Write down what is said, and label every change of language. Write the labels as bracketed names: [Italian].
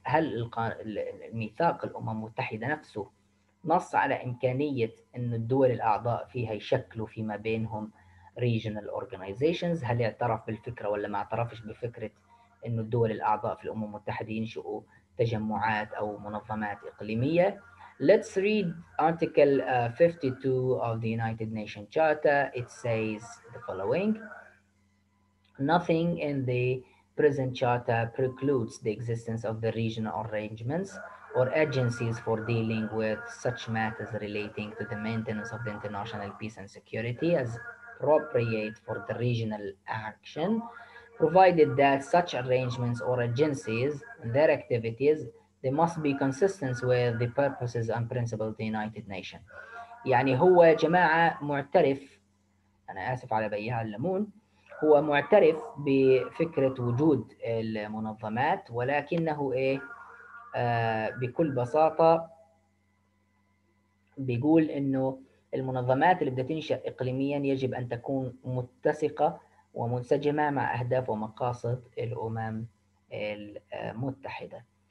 [Arabic] هل الميثاق الأمم المتحدة نفسه نص على إمكانية أن الدول الأعضاء فيها يشكلوا فيما بينهم [English] regional organizations؟ [Arabic] هل اعترف بالفكرة ولا ما اعترفش بفكرة أن الدول الأعضاء في الأمم المتحدة ينشئوا تجمعات أو منظمات إقليمية؟ [English] Let's read Article 52 of the United Nations Charter. It says the following. Nothing in the present charter precludes the existence of the regional arrangements or agencies for dealing with such matters relating to the maintenance of the international peace and security as appropriate for the regional action, provided that such arrangements or agencies and their activities, they must be consistent with the purposes and principles of the United Nations. [Arabic] يعني هو جماعة معترف, أنا آسف على بيها اللمون, هو معترف بفكرة وجود المنظمات, ولكنه إيه بكل بساطة بيقول إنه المنظمات اللي بدها تنشأ إقليمياً يجب أن تكون متسقة ومنسجمة مع أهداف ومقاصد الأمم المتحدة.